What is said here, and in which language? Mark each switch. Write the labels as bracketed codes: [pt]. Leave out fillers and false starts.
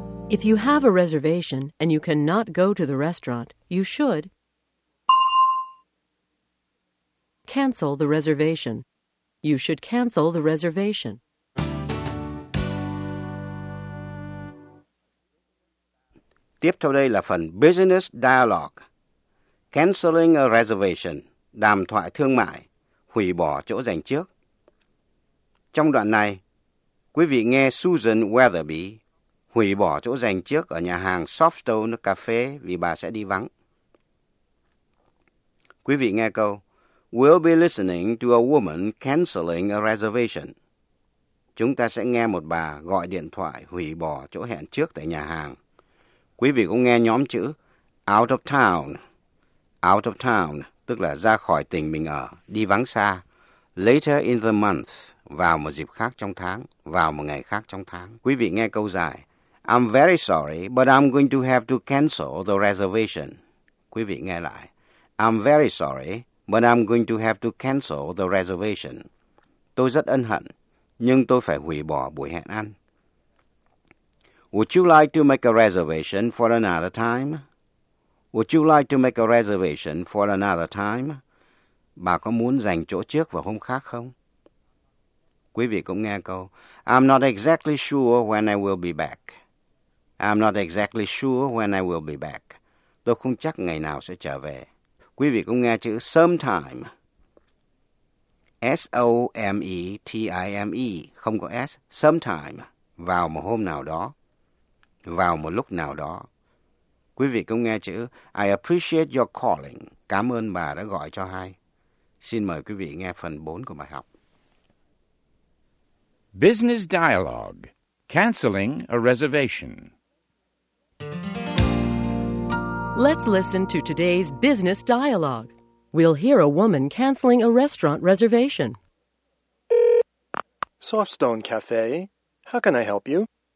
[en] If you have a reservation and you cannot go to the restaurant, you should cancel the reservation. You should cancel the reservation. [vi] Tiếp theo đây là phần Business Dialogue. [en] Canceling a reservation, [vi] đàm thoại thương mại, hủy bỏ chỗ dành trước. Trong đoạn này, quý vị nghe Susan Weatherby hủy bỏ chỗ dành trước ở nhà hàng Softstone Cafe vì bà sẽ đi vắng. Quý vị nghe câu, [en] "We'll be listening to a woman canceling a reservation." [vi] Chúng ta sẽ nghe một bà gọi điện thoại hủy bỏ chỗ hẹn trước tại nhà hàng. Quý vị cũng nghe nhóm chữ [en] out of town. Out of town, [vi] tức là ra khỏi tỉnh mình ở, đi vắng xa. [en] Later in the month, [vi] vào một dịp khác trong tháng, vào một ngày khác trong tháng. Quý vị nghe câu dài. [en] I'm very sorry, but I'm going to have to cancel the reservation. [vi] Quý vị nghe lại. [en] I'm very sorry, but I'm going to have to cancel the reservation. [vi] Tôi rất ân hận, nhưng tôi phải hủy bỏ buổi hẹn ăn. [en] Would you like to make a reservation for another time? Would you like to make a reservation for another time? [vi] Bà có muốn dành chỗ trước vào hôm khác không? Quý vị cũng nghe câu, [en] I'm not exactly sure when I will be back. I'm not exactly sure when I will be back. [vi] Tôi không chắc ngày nào sẽ trở về. Quý vị cũng nghe chữ sometime. S-O-M-E-T-I-M-E, không có S, sometime, vào một hôm nào đó. Vào một lúc nào đó. Quý vị cũng nghe chữ [en] I appreciate your calling. [vi] Cảm ơn bà đã gọi cho hay. Xin mời quý vị nghe phần 4 của bài học. [en] Business Dialogue. Canceling a reservation. Let's listen to today's business dialogue. We'll hear a woman canceling a restaurant reservation. Softstone Cafe. How can I help you?